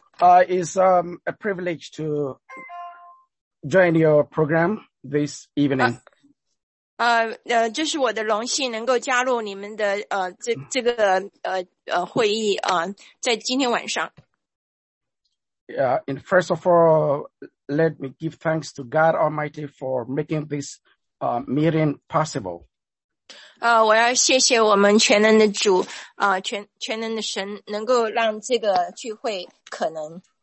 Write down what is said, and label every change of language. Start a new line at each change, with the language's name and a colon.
English: It's a privilege to join your program this evening.
Chinese: 这是我的荣幸能够加入你们的 这个会议在今天晚上。
English: And first of all, let me give thanks to God Almighty for making this meeting possible.
Chinese: 我要谢谢我们全能的主，全能的神能够让这个聚会可能。